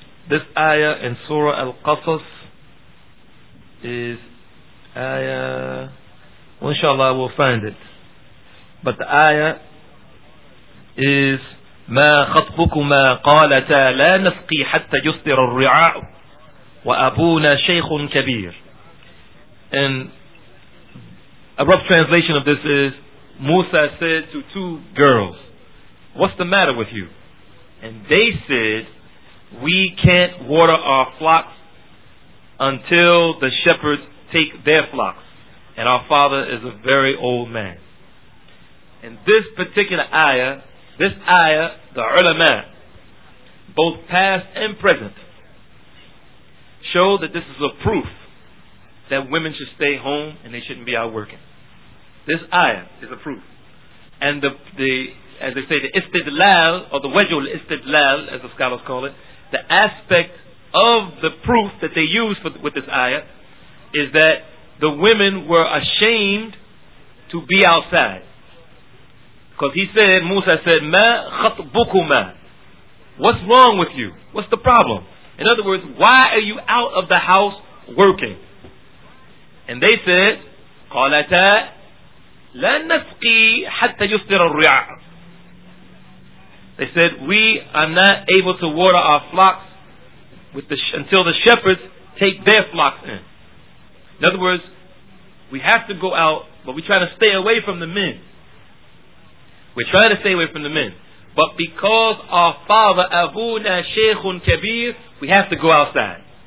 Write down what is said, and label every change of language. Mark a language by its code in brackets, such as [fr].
[en] This ayah in Surah Al-Qasas is ayah, well, inshallah, we'll find it. But the ayah is, [ar] ما خطبكما قالتا لا نسقي حتى يصدر الرعاء وأبونا شيخ كبير. [en] And a rough translation of this is, Musa said to two girls, what's the matter with you? And they said, we can't water our flocks until the shepherds take their flocks, and our father is a very old man. And this particular ayah, this ayah, the ulama, both past and present, show that this is a proof that women should stay home and they shouldn't be out working. This ayah is a proof. And the as they say, the istidlal, or the wajul istidlal, as the scholars call it, the aspect of the proof that they use with this ayah is that the women were ashamed to be outside. Because he said, Musa said, [ar] ما خطبكما, [en] what's wrong with you? What's the problem? In other words, why are you out of the house working? And they said, [ar] قالتا لا نسقي حتى يصدر الرعاء. [en] They said, we are not able to water our flocks until the shepherds take their flocks in. In other words, we have to go out, but we try to stay away from the men. We're trying to stay away from the men. But because our father, [ar] Abuna Shaykhun Kabir, [en] we have to go outside.